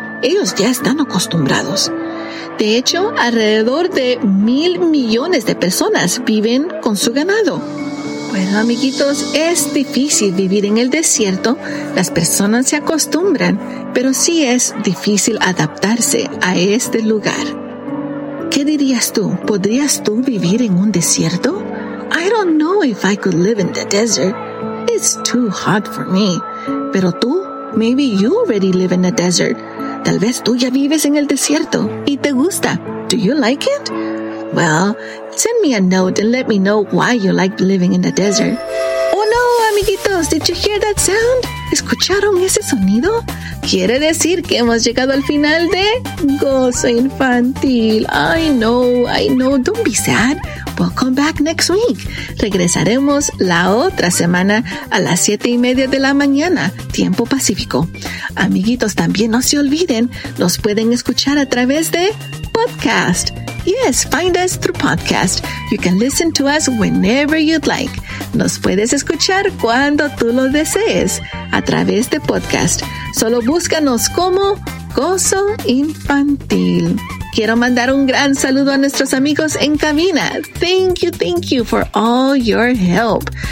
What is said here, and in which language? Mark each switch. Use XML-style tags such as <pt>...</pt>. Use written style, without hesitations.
<es>Ellos ya están acostumbrados. De hecho, alrededor de 1,000 millones de personas viven con su ganado. Bueno, amiguitos, es difícil vivir en el desierto. Las personas se acostumbran, pero sí es difícil adaptarse a este lugar. ¿Qué dirías tú? ¿Podrías tú vivir en un desierto?</es> <en>I don't know if I could live in the desert. It's too hot for me.</en> <es>Pero tú,</es> <en>maybe you already live in a desert.</en> <es>Tal vez tú ya vives en el desierto y te gusta.</es> <en>Do you like it? Well, send me a note and let me know why you like living in the desert. Oh no,</en> <es>amiguitos,</es> <en>did you hear that sound?</en> <es>¿Escucharon ese sonido? Quiere decir que hemos llegado al final de Gozo Infantil.</es> <en>I know, don't be sad. We'll come back next week.</en> <es>Regresaremos la otra semana a las 7:30 de la mañana, tiempo pacífico. Amiguitos, también no se olviden, nos pueden escuchar a través de podcast.</es> <en>Yes, find us through podcast. You can listen to us whenever you'd like.</en> <es>Nos puedes escuchar cuando tú lo desees a través de podcast. Solo búscanos como Gozo Infantil. Quiero mandar un gran saludo a nuestros amigos en cabina.</es> <en>Thank you for all your help.</en>